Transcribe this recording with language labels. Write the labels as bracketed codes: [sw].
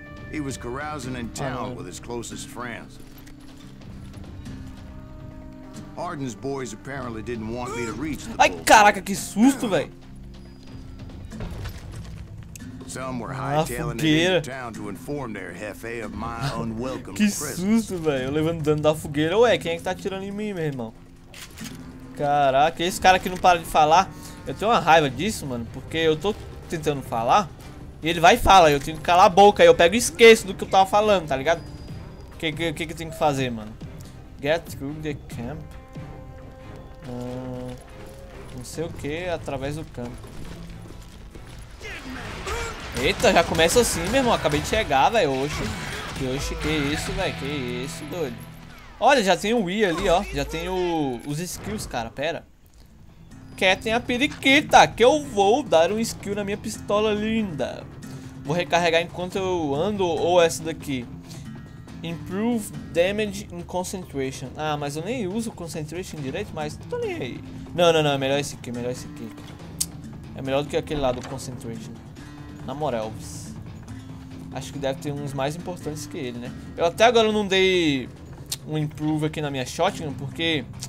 [en] He was carousing in town with his closest friends. Harden's boys apparently didn't want me to reach the [pt] Ai, caraca, que susto, velho. [en] Some were hightailing it into town to inform their jefe of my unwelcome [pt] que [en] presence. [pt] Que susto, velho. Eu levando dano da fogueira. Ué, quem é que tá atirando em mim, meu irmão? Caraca, esse cara aqui não para de falar. Eu tenho uma raiva disso, mano, porque eu tô tentando falar e ele vai e fala, eu tenho que calar a boca, aí eu pego e esqueço do que eu tava falando, tá ligado? Que eu tenho que fazer, mano? [en] Get through the camp. [pt] Não sei o que, através do campo. Eita, já começa assim, meu irmão. Acabei de chegar, velho. Oxi, que isso, velho. Que isso, doido. Olha, já tem o Wii ali, ó. Já tem os skills, cara. Pera. Quer tem a periquita. Que eu vou dar um skill na minha pistola linda. Vou recarregar enquanto eu ando. Ou essa daqui. [en] Improve damage in concentration. [pt] Ah, mas eu nem uso concentration direito, mas tô nem aí. Não, é melhor esse aqui, É melhor do que aquele lá do concentration. Na moral, acho que deve ter uns mais importantes que ele, né? Eu até agora não dei um improve aqui na minha shotgun, porque...